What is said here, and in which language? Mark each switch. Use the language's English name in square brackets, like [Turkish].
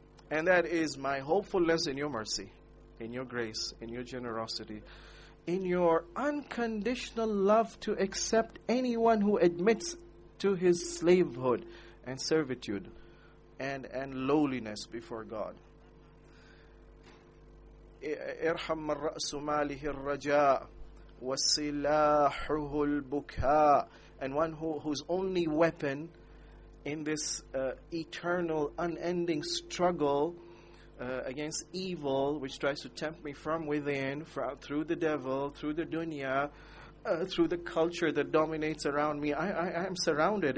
[English] And that is my hopefulness in your mercy, in your grace, in your generosity, in your unconditional love to accept anyone who admits to his slavehood and servitude and lowliness before God. [Arabic] ارحم من رأس ماله الرجاء وسلاحه البكاء. [English] And one whose only weapon in this eternal unending struggle against evil, which tries to tempt me from within, through the devil, through the dunya, through the culture that dominates around me, I am surrounded.